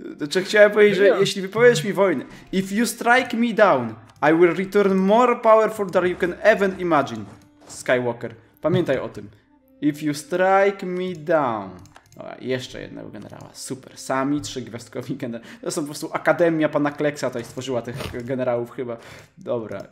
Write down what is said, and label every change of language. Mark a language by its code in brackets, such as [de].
[pl] Czy chciałem powiedzieć, że jeśli wypowiesz mi wojnę... [en] If you strike me down, I will return more powerful than you can even imagine, Skywalker. [pl] Pamiętaj o tym. [en] If you strike me down... [pl] Dobra, jeszcze jednego generała. Super. Sami trzy gwiazdkowi generały. To są po prostu Akademia Pana Kleksa tutaj stworzyła tych generałów chyba. Dobra.